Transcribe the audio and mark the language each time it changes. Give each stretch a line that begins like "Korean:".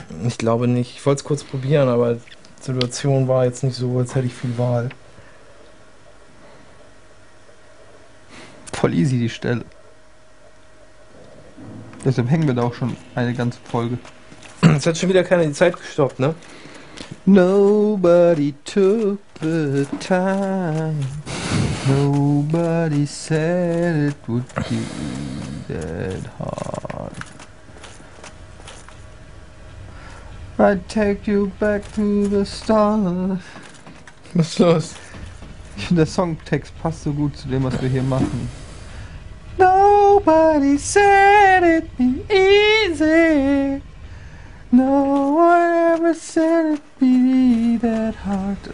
German: Ich glaube nicht, ich wollte es kurz probieren, aber die Situation war jetzt nicht so, als hätte ich viel Wahl. Voll easy die Stelle. Deshalb hängen wir da auch schon eine ganze Folge. Es hat schon wieder keiner die Zeit gestoppt, ne?
English: Nobody took the time. Nobody said it would be that hard. I'd take you back to the start.
German: Was ist los? Ich finde, der Songtext passt so gut zu dem, was wir hier machen.
English: Nobody said it would be easy. No one ever said it be that hard.